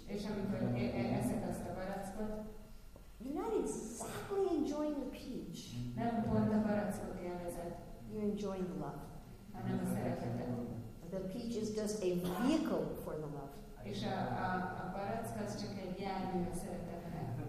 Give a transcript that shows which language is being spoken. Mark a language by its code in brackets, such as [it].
[hu] és amikor eszed azt a barackot, [en] you're not exactly enjoying the peach. [hu] Nem pont a barackot élvezed. [en] You're enjoying the love. [hu] Hanem a szeretetet. [en] The peach is just a vehicle for the love. [hu] És a barack az csak egy jármű a szeretetre.